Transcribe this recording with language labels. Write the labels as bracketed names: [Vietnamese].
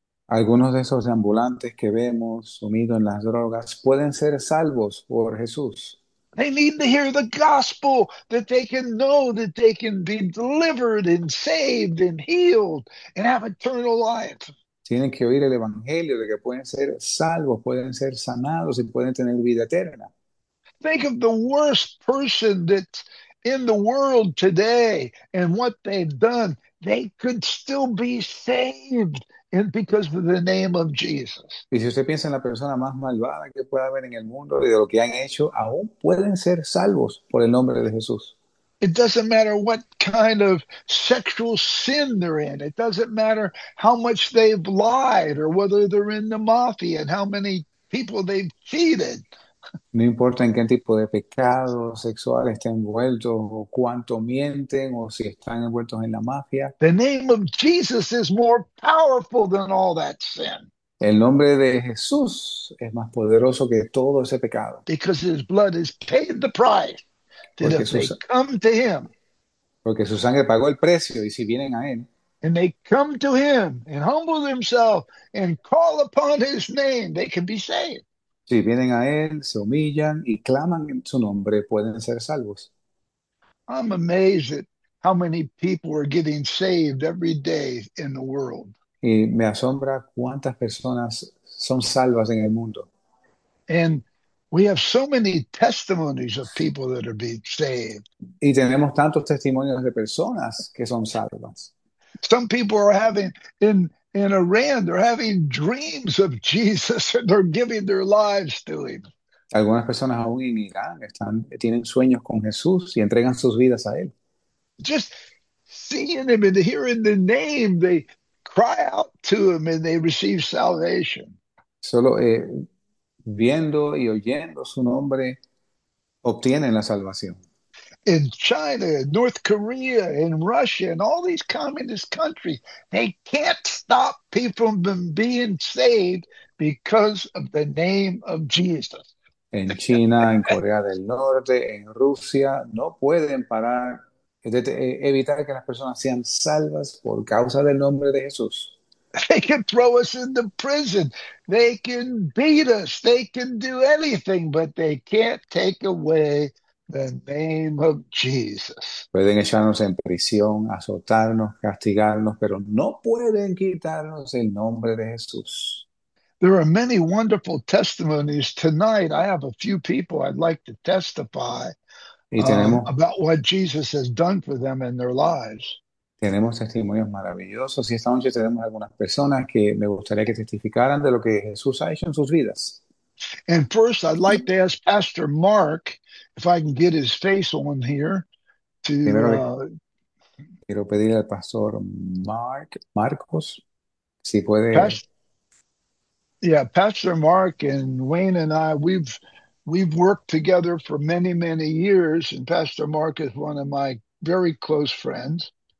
[Spanish] Algunos de esos deambulantes que vemos sumidos en las drogas pueden ser salvos por Jesús. [English] They need to hear the gospel that they can know that they can be delivered and saved and healed and have eternal life. [Spanish] Tienen que oír el Evangelio de que pueden ser salvos, pueden ser sanados y pueden tener vida eterna. [English] Think of the worst person that's in the world today and what they've done. They could still be saved and because of the name of Jesus. [Spanish] Y si usted piensa en la persona más malvada que pueda haber en el mundo y de lo que han hecho, aún pueden ser salvos por el nombre de Jesús. [English] It doesn't matter what kind of sexual sin they're in. It doesn't matter how much they've lied or whether they're in the mafia and how many people they've cheated. [Spanish] No importa en qué tipo de pecado sexual estén envueltos o cuánto mienten o si están envueltos en la mafia. [English] The name of Jesus is more powerful than all that sin. [Spanish] El nombre de Jesús es más poderoso que todo ese pecado. [English] Because his blood has paid the price. That [Spanish] Porque [English] if they come to him [Spanish] su sangre pagó el precio y si vienen a él. [English] and they come to him and humble themselves and call upon his name, they can be saved. [Spanish] Si vienen a él, se humillan y claman en su nombre, pueden ser salvos. [English] I'm amazed at how many people are getting saved every day in the world. [Spanish] Y me asombra cuántas personas son salvas en el mundo. [English] And we have so many testimonies of people that are being saved. [Spanish] Y tenemos tantos testimonios de personas que son salvas. [English] Some people are having in Iran, they're having dreams of Jesus and they're giving their lives to him. [Spanish] Algunas personas aún en Irán tienen sueños con Jesús y entregan sus vidas a Él. [English] Just seeing him and hearing the name, they cry out to him and they receive salvation. [Spanish] Solo viendo y oyendo su nombre, obtienen la salvación. [English] In China, North Korea, in Russia, and all these communist countries, they can't stop people from being saved because of the name of Jesus. [Spanish] En China, en Corea del Norte, en Rusia, no pueden parar, evitar que las personas sean salvas por causa del nombre de Jesús. [English] They can throw us into prison. They can beat us. They can do anything, but they can't take away the name of Jesus. [Spanish] Pueden echarnos en prisión, azotarnos, castigarnos, pero no pueden quitarnos el nombre de Jesús. [English] There are many wonderful testimonies tonight. I have a few people I'd like to testify [Spanish] Y [English] about what Jesus has done for them in their lives. [Spanish] tenemos testimonios maravillosos. Y esta noche tenemos algunas personas que me gustaría que testificaran de lo que Jesús ha hecho en sus vidas. [English] And first, I'd like to ask Pastor Mark if I can get his face on here to. [Spanish] Primero le quiero pedir al pastor Marcos, si puede. [English] Pastor Mark and Wayne and I, we've worked together for many, many years, and Pastor Mark is one of my very close friends.